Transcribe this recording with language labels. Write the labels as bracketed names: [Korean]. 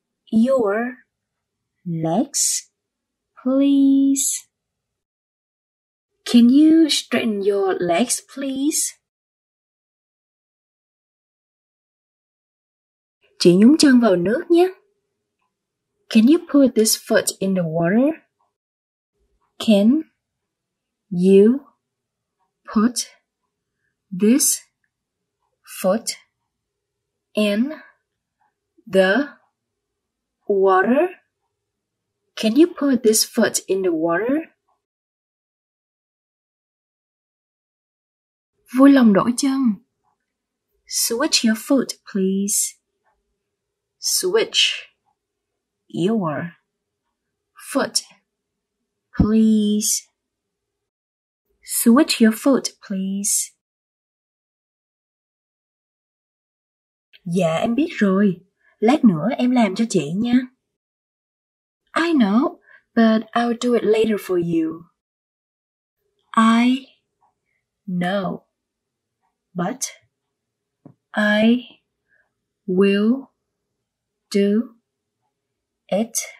[English] your legs, please? Can you straighten your legs, please? [Vietnamese] Chị nhúng chân vào nước nhé. [English] Can you put this foot in the water? Can you put this foot in the water? Can you put this foot in the water? [Vietnamese] Vui lòng đổi chân. [English] Switch your foot, please. Switch your foot, please. Switch your foot, please. [Vietnamese] Dạ, em biết rồi. Lát nữa em làm cho chị nha. [English] I know, but I'll do it later for you. I know, but I will do it